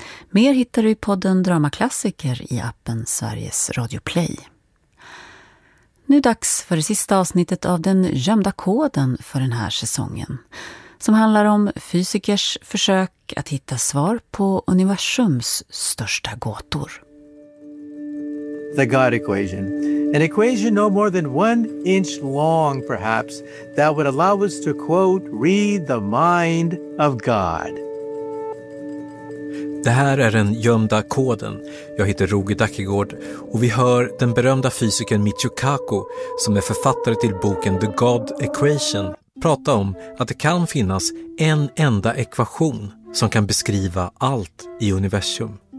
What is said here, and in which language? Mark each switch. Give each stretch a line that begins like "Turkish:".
Swedish: Mer hittar du i podden Dramaklassiker i appen Sveriges Radio Play. Nu dags för det sista avsnittet av Den gömda koden för den här säsongen, som handlar om fysikers försök att hitta svar på universums största gåtor.
English: The God equation. An equation no more than one inch long, perhaps, that would allow us to, quote, read the mind of God.
Swedish: Det här är Den gömda koden. Jag heter Roger Dackegård och vi hör den berömda fysikern Michio Kaku, som är författare till boken The God Equation, prata om att det kan finnas en enda ekvation som kan beskriva allt i universum.